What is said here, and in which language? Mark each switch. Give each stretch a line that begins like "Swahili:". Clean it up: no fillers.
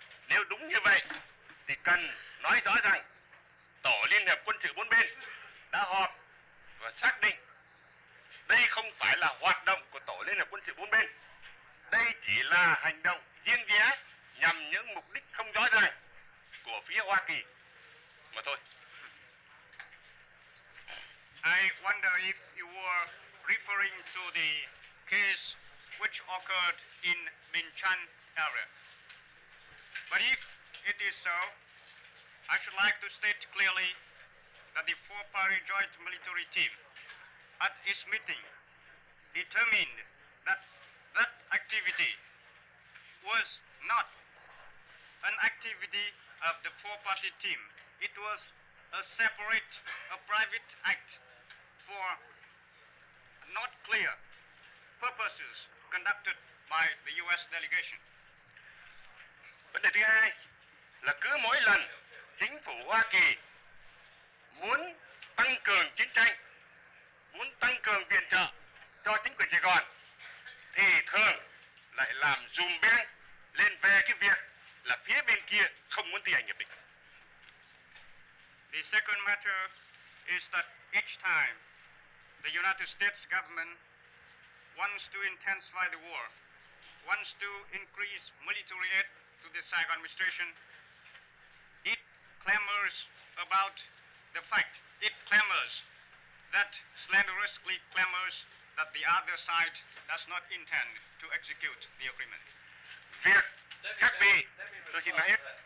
Vietnamese: Nếu đúng như vậy thì cần nói rõ rằng Tổ Liên Hiệp Quân Sự Bốn Bên đã họp và xác định đây không phải là hoạt động của Tổ Liên Hiệp Quân Sự Bốn Bên. Đây chỉ là hành động riêng rẽ nhằm những mục đích không rõ ràng của phía Hoa Kỳ mà thôi.
English: I wonder if you were referring to the case which occurred in Binh Chanh area. But if it is so, I should like to state clearly that the four-party joint military team at its meeting determined that that activity was not an activity of the four-party team. It was a separate, a private act for not clear purposes conducted by the U.S. delegation.
Vietnamese: Vấn đề thứ hai là cứ mỗi lần chính phủ Hoa Kỳ muốn tăng cường chiến tranh, muốn tăng cường viện trợ cho chính quyền Sài Gòn, thì thường lại làm dùm beng lên về cái việc là phía bên kia không muốn thi hành hiệp định.
English: The second matter is that each time the United States government wants to intensify the war, wants to increase military aid to the Saigon administration, it clamors about the fact, it clamors, that slanderously clamors that the other side does not intend to execute the agreement.
Vietnamese: Việc các vị, tôi xin nói hết.